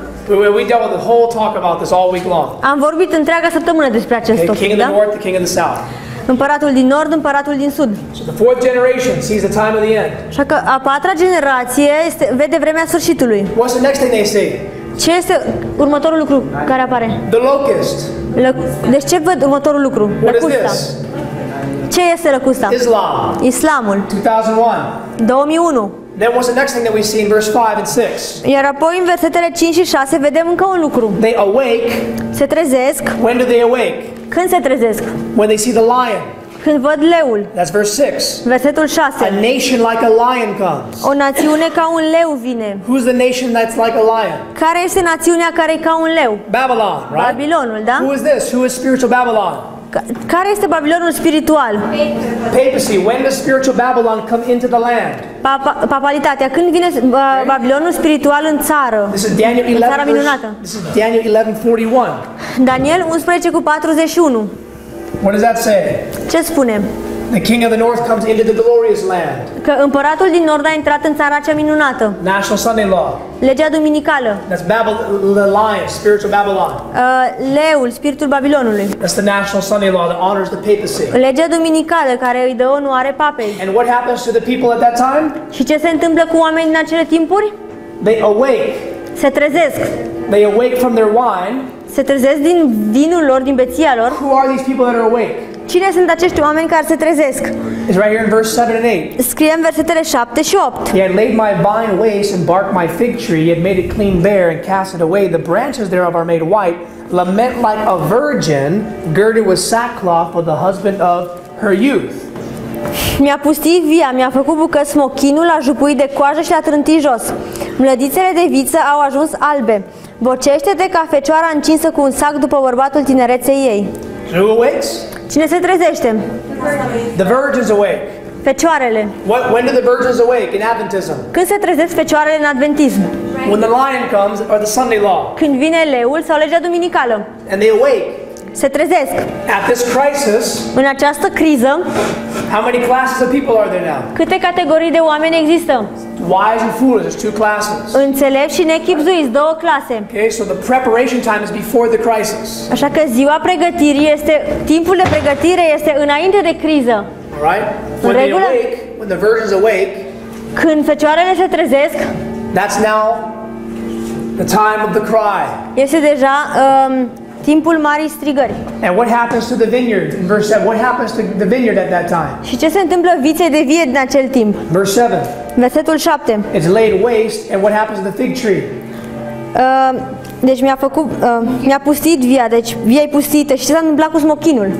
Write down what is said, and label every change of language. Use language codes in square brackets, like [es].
[en] We dealt with the whole talk about this all week long. [ro] Am vorbit întreaga săptămână despre acest topic, [en] king of the north, the king of the south. [ro] Împăratul din nord, împăratul din sud. [en] So the fourth generation sees the time of the end. [ro] Așa că a patra generație vede vremea sfârșitului. [en] What's the next thing they see? [ro] Ce este următorul lucru care apare? [en] The locust. [ro] Deci ce văd următorul lucru? Lăcusta. Ce este lăcusta? [en] Islam. [ro] Islamul. [en] 2001. Then what's the next thing that we see in verse 5 and 6? [ro] Iar apoi în versetele 5 și 6 vedem încă un lucru. [en] They awake. [ro] Se trezesc. [en] When do they awake? [ro] Când se trezesc? [en] When they see the lion. [ro] Când văd leul. [en] That's verse 6. [ro] Versetul 6. [en] A nation like a lion comes. [ro] O națiune ca un leu vine. [en] Who's the nation that's like a lion? [ro] Care este națiunea care e ca un leu? [en] Babylon, right? [ro] Babilonul, da? [en] Who is this? Who is spiritual Babylon? [ro] Care este Babilonul spiritual? [en] Papacy. When does spiritual Babylon come into the land? [ro] Papalitatea. Când vine Babilonul spiritual în țară? [en] This is Daniel 11. [ro] Țara minunată. [en] This is Daniel 11:41. [ro] Daniel 11 cu 41. [en] What does that say? [ro] Ce spune? [en] The king of the north comes into the glory glorious land. [ro] Că împăratul din nord a intrat în țara cea minunată. [en] National Sunday law. [ro] Legea duminicală. [en] That's Babylon, the lion, spiritual Babylon. [ro] Leul, spiritul Babilonului. [en] That's the national Sunday law that honors the papacy. [ro] Legea duminicală care îi dă onoare papei. [en] And what happens to the people at that time? [ro] Și ce se întâmplă cu oamenii în acele timpuri? [en] They awake. [ro] Se trezesc. [en] They awake from their wine. [ro] Se trezesc din vinul lor, din beția lor. [en] Who are these people that are awake? [ro] Cine sunt acești oameni care se trezesc? [en] It's right here in verse 7 and 8. [ro] Scrie în versetele 7 și 8. [en] He had laid my vine waste and barked my fig tree. He had made it clean bare and cast it away. The branches thereof are made white. Lament like a virgin, girded with sackcloth for the husband of her youth. [ro] Mi-a pustit via, mi-a făcut bucăți smochinul, a jupuit de coajă și a trântit jos. Mlădițele de viță au ajuns albe. Bocește-te ca fecioara încinsă cu un sac după bărbatul tinereței ei. [en] Who awakes? [ro] Cine se trezește? [en] The virgins awake. [ro] Fecioarele. [en] What, when do the virgins awake in Adventism? [ro] Când se trezesc fecioarele în adventism? [en] When the lion comes or the Sunday law. [ro] Când vine leul sau legea duminicală. [en] And they awake. [ro] Se trezesc. [en] At this crisis. [ro] În această criză. [en] How many classes of people are there now? [ro] Câte categorii de oameni există? [en] Wise and foolish, there's two classes. [ro] Înțelepți și nechipzuiți, două clase. [en] Okay, so the preparation time is before the crisis. [ro] Așa că ziua pregătirii este, timpul de pregătire este înainte de criză. [en] All right? [ro] În regulă. [en] When the virgins awake. [ro] Când fecioarele se trezesc. [en] That's now the time of the cry. [ro] Este deja timpul marii strigări. [en] And what happens to the vineyard? In verse 7. What happens to the vineyard at that time? [ro] Și ce se întâmplă viței de vie în acel timp? [en] Verse 7. [ro] Versetul 7. [en] It's laid waste and what happens to the fig tree? [ro] Deci mi-a pustit via, deci via e pustită. Și ce s-a întâmplat cu smochinul?